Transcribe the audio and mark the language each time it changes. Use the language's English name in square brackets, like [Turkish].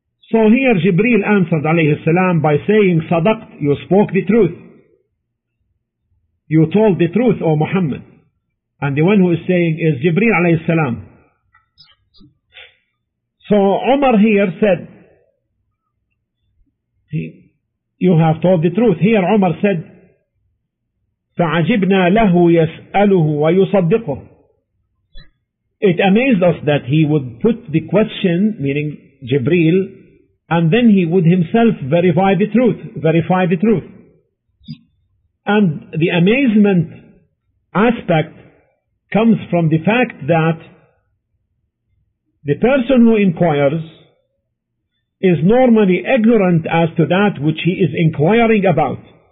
[English] So here Jibreel answered alayhi salam by saying, Sadaqt, you spoke the truth. You told the truth, O Muhammad. And the one who is saying is Jibreel alayhi salam. So Umar here said, you have told the truth. Here Umar said, [Arabic] فَعَجِبْنَا لَهُ يَسْأَلُهُ وَيُصَدِّقُهُ. [English] It amazed us that he would put the question, meaning Jibreel, and then he would himself verify the truth. And the amazement aspect comes from the fact that the person who inquires is normally ignorant as to that which he is inquiring about.